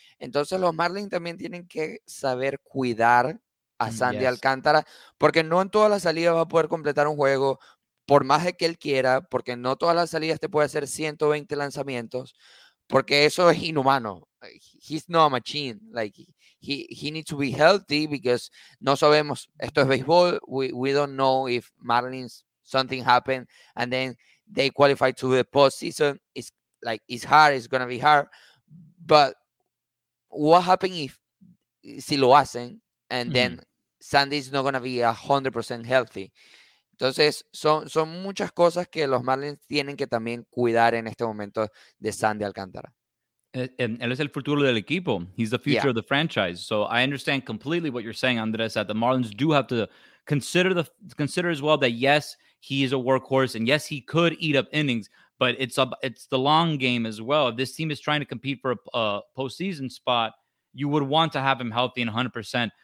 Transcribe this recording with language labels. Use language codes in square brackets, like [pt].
[es] Entonces los Marlins también tienen que saber cuidar a Sandy Alcántara, porque no en todas las salidas va a poder completar un juego, por más de que él quiera, porque no todas las salidas te puede hacer 120 lanzamientos, porque eso es inhumano. [en] He's not a machine. [es] Like, [en] he needs to be healthy because [es] no sabemos, esto es [en] baseball. We don't know if Marlins something happened and then they qualify to the postseason. It's like it's hard, it's gonna be hard. But what happened if [es] si lo hacen [en] and then Sandy's not gonna be 100% healthy? [es] Entonces, son muchas cosas que los Marlins tienen que también cuidar en este momento de Sandy Alcántara. Él es el futuro del equipo. [en] He's the future of the franchise. So I understand completely what you're saying, Andres, that the Marlins do have to consider as well that, yes, he is a workhorse, and yes, he could eat up innings, but it's the long game as well. If this team is trying to compete for a postseason spot, you would want to have him healthy and 100%.